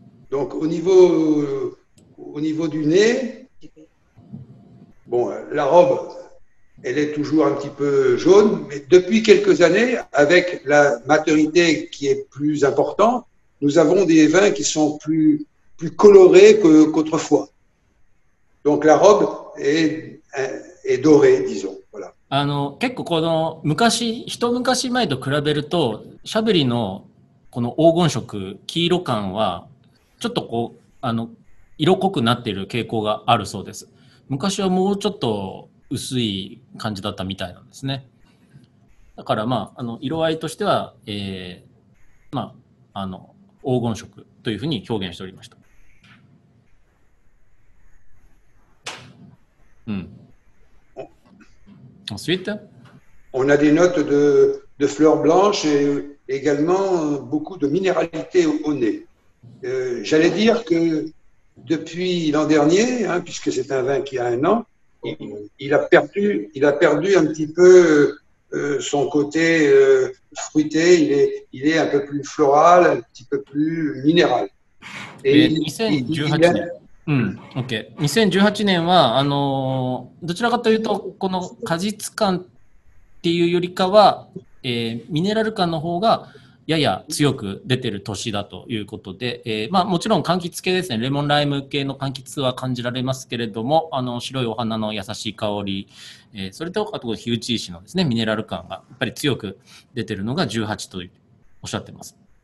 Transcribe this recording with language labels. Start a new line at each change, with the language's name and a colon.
French: Donc au niveau du nez, bon, la robe, elle est toujours un petit peu jaune, mais depuis quelques années, avec la maturité qui est plus importante, nous avons des vins qui sont plus, plus colorés que, qu'autrefois. Donc la robe est, est dorée, disons. Voilà.
Japanese: 結構この昔、一昔前と比べると、シャブリのこの黄金色、黄色感はちょっとこう色濃くなっている傾向があるそうです。昔はもうちょっと薄い感じだったみたいなんですね。だからまあ色合いとしては、まあ黄金色というふうに表現しておりました。
French: うん。Ensuite, on a des notes de fleurs blanches et également beaucoup de minéralité au nez. J'allais dire que depuis l'an dernier, hein, puisque c'est un vin qui a un an, il a perdu un petit peu son côté fruité, il est un peu plus floral, un petit peu plus minéral.
Japanese: Et 2018年はどちらかというとこの果実感っていうよりかは、ミネラル感の方がやや強く出てる年だということで、まあもちろん柑橘系ですね、レモンライム系の柑橘は感じられますけれども、白いお花の優しい香り、それとあと火打ち石のですね、ミネラル感がやっぱり強く出てるのが18とおっしゃってます。